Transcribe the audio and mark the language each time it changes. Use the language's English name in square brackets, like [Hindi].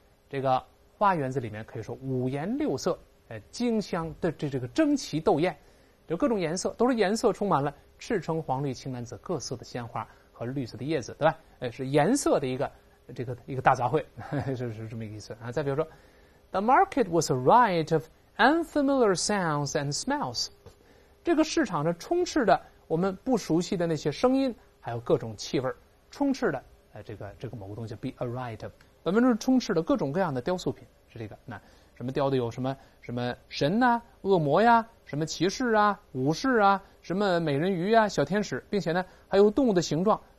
[Chinese] 这个花园子里面可以说五颜六色，精香的这个争奇斗艳，有各种颜色，都是颜色充满了赤橙黄绿青蓝紫各色的鲜花和绿色的叶子，对吧？是颜色的一个大杂烩，是这么一个意思啊。再比如说 [English] ，The market was a riot of unfamiliar sounds and smells。 [Chinese] 这个市场上充斥着我们不熟悉的那些声音，还有各种气味，充斥的这个某个东西 [English] be a riot of， [Chinese] 本文中充斥的各种各样的雕塑品是这个。那什么雕的有什么什么神呐、恶魔呀、什么骑士啊、武士啊、什么美人鱼啊、小天使，并且呢还有动物的形状。